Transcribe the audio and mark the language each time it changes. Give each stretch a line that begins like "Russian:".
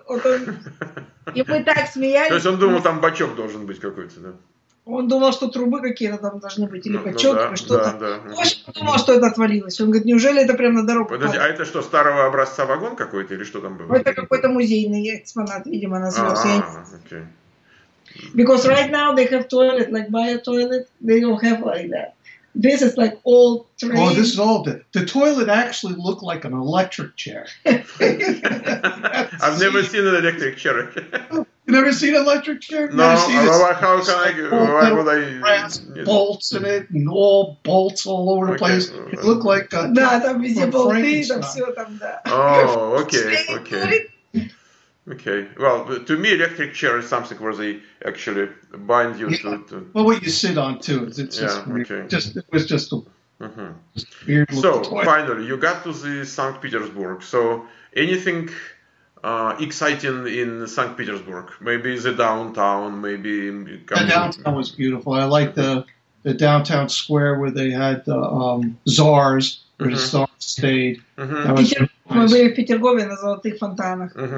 Russian: Вот он... И мы так смеялись. То есть он думал, там бачок должен быть какой-то, да? Он думал, что трубы какие-то там должны быть, или бачок, или что-то. В общем, он думал, что это отвалилось. Он говорит, неужели это прямо на дорогу? Подожди, а это что, старого образца вагон какой-то, или что там было? Это какой-то музейный экспонат, видимо, назывался. А, окей.
English: Because right now they have toilet, like by a toilet, they don't have like that. This is like old train. Oh, this is old. The toilet actually looked like an electric chair. I've never seen an electric chair. You never seen an electric chair? No. Never seen how can I? Why would I? Brass bolts in it, and all bolts all over the place. It looked like a.
Russian: Да, там везде болты, там все там да.
English: Oh, okay. Okay. Well, to me, electric chair is something where they actually bind you to. Well, what you sit on too. It's yeah. Weird. Okay. Just it was just a. Mm-hmm. So finally, you got to the St. Petersburg. So anything exciting in St. Petersburg? Maybe the downtown. Maybe the downtown was beautiful. I like the downtown square where they had the czars, where the czar stayed.
Russian: Мы были в Петергофе на Золотых фонтанах.